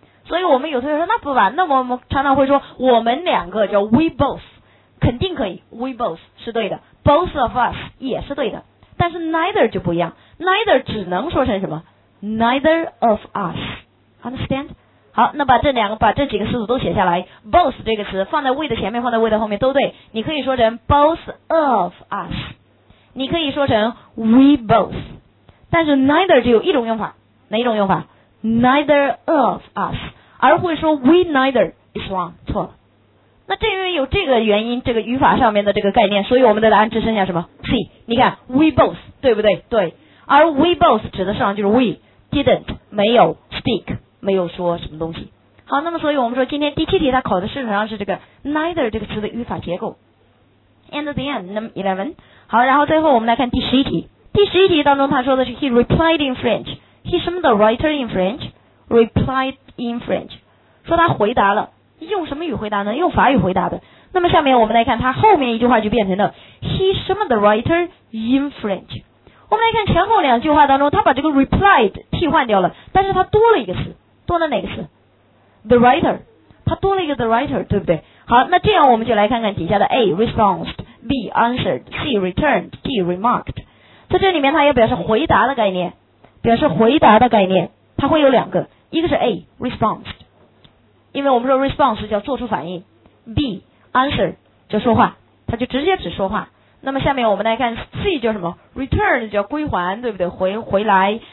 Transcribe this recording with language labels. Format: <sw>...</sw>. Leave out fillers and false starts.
<zh>所以我们有同学说那不完，那我们常常会说我们两个叫 we both， 肯定可以 we both 是对的， both of us 也是对的，但是 neither 就不一样， neither 只能说成什么 neither of us， understand？好，那把这两个把这几个词组都写下来， both 这个词放在 we 的前面放在 we 的后面都对，你可以说成 both of us， 你可以说成 we both， 但是 neither 只有一种用法，哪一种用法？</zh> <en>Neither of us，</en> <zh>而会说</zh> <en>we neither is wrong，</en> <zh>错了。那正因为有这个原因，这个语法上面的这个概念，所以我们的答案只剩下什么 C？你看 we both 对不对？对。而 we both 指的上就是 we didn't 没有 speak 没有说什么东西。好，那么所以我们说今天第七题它考的事实上是这个 neither 这个词的语法结构。</zh> <en>And the end number 11。</en> <zh>好，然后最后我们来看第十一题。第十一题当中他说的是</zh> <en>he replied in French。</en> <zh>He 什么的 writer in French，</zh> <en>replied in French，</en> <zh>说他回答了，用什么语回答呢？用法语回答的。那么下面我们来看他后面一句话就变成了 He 什么的 writer in French。我们来看前后两句话当中，他把这个 replied 替换掉了，但是他多了一个词，多了哪个词？ The writer， 他多了一个 the writer， 对不对？好，那这样我们就来看看底下的 A responded， B answered， C returned， D remarked。在这里面他也表示回答的概念，表示回答的概念，它会有两个，一个是 A response， 因为我们说 response 叫做出反应， B answer 就说话，它就直接指说话。那么下面我们来看 C 叫什么？return 叫归还，对不对？回来。</zh>